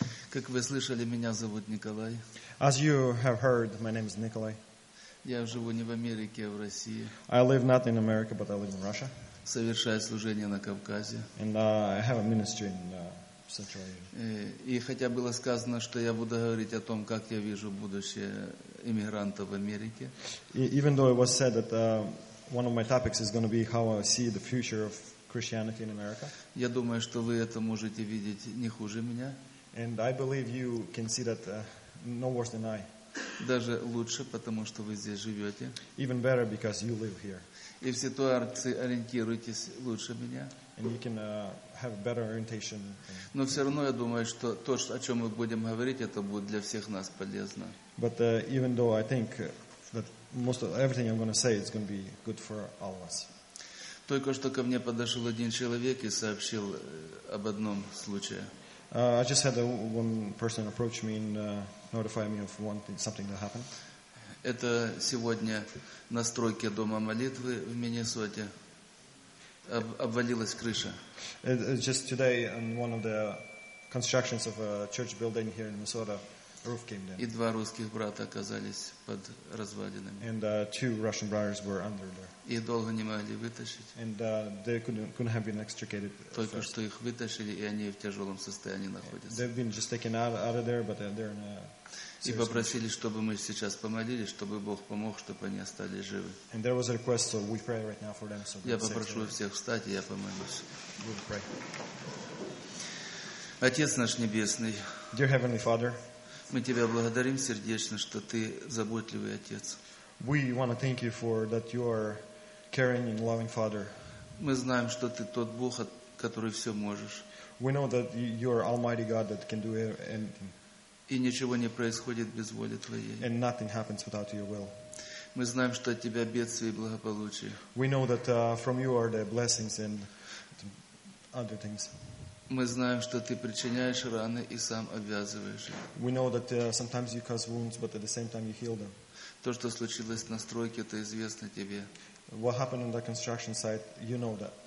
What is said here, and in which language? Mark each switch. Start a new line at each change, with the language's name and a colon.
Russian: Как вы слышали, меня зовут Николай.
English: As you have heard, my name is Nikolai.
Russian: Я живу не в Америке, а в России.
English: I live not in America, but I live in Russia.
Russian: Совершаю служение на Кавказе.
English: And I have a ministry in Central Asia.
Russian: И хотя было сказано, что я буду говорить о том, как я вижу будущее иммигрантов в Америке.
English: Even though it was said that one of my topics is going to be how I see the future of Christianity in America.
Russian: Я думаю, что вы это можете видеть не хуже меня.
English: And I believe you can see that no worse than I.
Russian: Даже лучше, потому что вы здесь живете.
English: Even better because you live here.
Russian: И в ситуации ориентируйтесь лучше меня.
English: And you can have better orientation.
Russian: Но все равно я думаю, что то, о чем мы будем говорить, это будет для всех нас полезно.
English: But even though I think that most of everything I'm going to say is going to be good for all of us.
Russian: Только что ко мне подошел один человек и сообщил об одном случае.
English: I just had one person approach me and notify me of one thing, something that happened.
Russian: Это сегодня на стройке дома молитвы в Миннесоте обвалилась крыша.
English: Just today on one of the constructions of a church building here in Minnesota, roof came down.
Russian: И два русских брата оказались под развалинами.
English: And two Russian brothers were under there.
Russian: Их долго не могли вытащить.
English: And they couldn't have been extricated.
Russian: Только что их вытащили, и они в тяжелом состоянии находятся.
English: They've been just taken out of there, but they're in a
Russian: И попросили, чтобы мы сейчас помолились, чтобы Бог помог, чтобы они остались живы.
English: And there was a request, so we pray right now for them. So
Russian: я попрошу всех встать, и я помолюсь.
English: We'll pray.
Russian: Отец наш небесный.
English: Dear Heavenly Father.
Russian: Мы тебя благодарим сердечно, что ты заботливый отец.
English: We want to thank you for that you are caring and loving Father.
Russian: Мы знаем, что ты тот Бог, который все можешь.
English: We know that you are Almighty God that can do anything.
Russian: И ничего не происходит без воли твоей.
English: And nothing happens without your will.
Russian: Мы знаем, что от тебя бедствие и благополучие.
English: We know that from you are the blessings and other things.
Russian: Мы знаем, что ты причиняешь раны и сам обвязываешь их.
English: We know that sometimes you cause wounds, but at the same time you heal them.
Russian: То, что случилось на стройке, это известно тебе.
English: What happened on the construction site, you know that.